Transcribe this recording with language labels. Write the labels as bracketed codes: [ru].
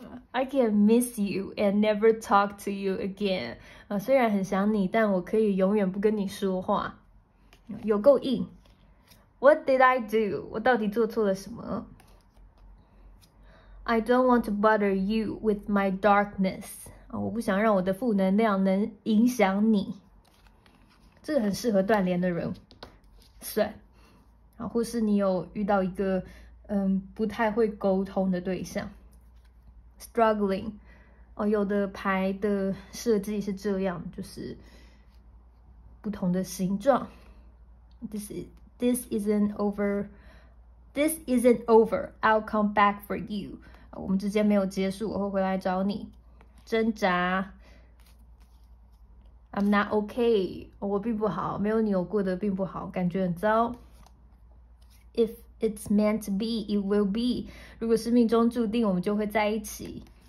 [en] I can miss you and never talk to you again。 [zh] 虽然很想你，但我可以永远不跟你说话。有够硬。 [en] What did I do？ [zh] 我到底做错了什么 [en] I don't want to bother you with my darkness. [zh] 我不想让我的负能量能影响你。这个很适合断联的人算。或是你有遇到一个不太会沟通的对象。 [en] Struggling. [zh] 有的牌的设计是这样，就是不同的形状。 [en] This isn't over. I'll come back for you. [zh] 我们之间没有结束，我会回来找你。 [en] 挣扎。I'm not okay. [zh] 我并不好，没有你我过得并不好，感觉很糟。 [en] If it's meant to be, it will be. [zh] 如果是命中注定，我们就会在一起。